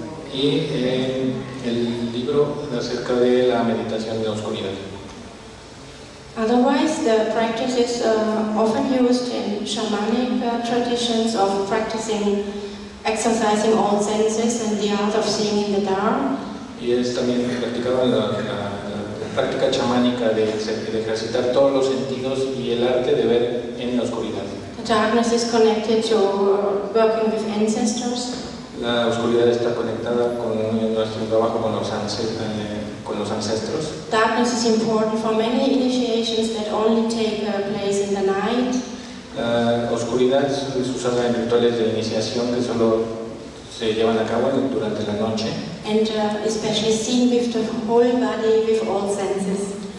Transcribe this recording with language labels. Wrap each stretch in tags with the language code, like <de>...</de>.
<es>Y el libro acerca de la meditación de oscuridad.</es> <en>Otherwise, the practice is often used in shamanic traditions of practicing, exercising all senses and the art of seeing in the dark.</en> <es>Y es también practicado en la práctica chamánica de ejercitar todos los sentidos y el arte de ver en la oscuridad.</es> <en>Darkness is connected to working with ancestors.</en> <es>La oscuridad está conectada con nuestro trabajo con los ancestros.</es> <en>Darkness is important for many initiations that only take place in the night.</en> <es>La oscuridad es usada en rituales de iniciación que solo se llevan a cabo durante la noche.</es> <en>And especially seen with the whole body, with all senses.</en>